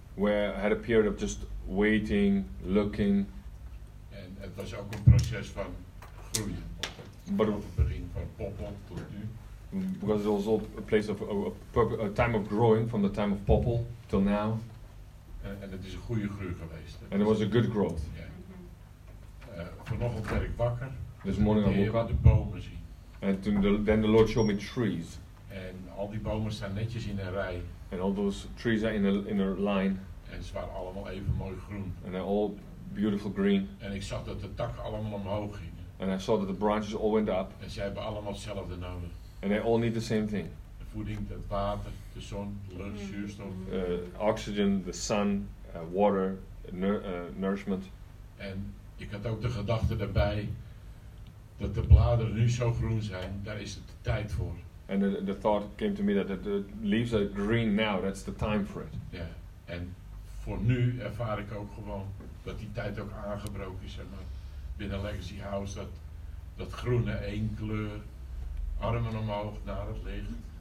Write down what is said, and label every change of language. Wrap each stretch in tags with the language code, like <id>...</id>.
<en>Where I had a period of just waiting, looking.</en> <nl>En het was ook een proces van groeien. Van het begin van Poppel tot nu.</nl> <en>Because it was also a place of a time of growing from the time of Poppel till now.</en> <nl>En het is een goede groei geweest.</nl> <en>En it was a good growth.</en> <nl>Vanochtend werd ik wakker.</nl> <en>This morning I woke up.</en> <nl>De bomen zien.</nl> <en>And then the Lord showed me trees.</en> <nl>En al die bomen staan netjes in een rij.</nl> <en>And all those trees are in a line.</en> <nl>En ze waren allemaal even mooi groen.</nl> <en>And they're all beautiful green.</en> <nl>En ik zag dat de takken allemaal omhoog gingen.</nl> <en>And I saw that the branches all went up.</en> <nl>En ze hebben allemaal hetzelfde nodig.</nl> <en>And they all need the same thing.</en> <nl>De voeding, het water. De zon, lucht, zuurstof.</nl> <en>Oxygen, the sun, water, nourishment.</en> <nl>En ik had ook de gedachte erbij dat de bladeren nu zo groen zijn, daar is het de tijd voor.</nl> <en>And the thought came to me that the leaves are green now, that's the time for it.</en> <nl>Ja, yeah. En voor nu ervaar ik ook gewoon dat die tijd ook aangebroken is. Zeg maar, binnen Legacy House, dat groene één kleur, armen omhoog naar het licht.</nl>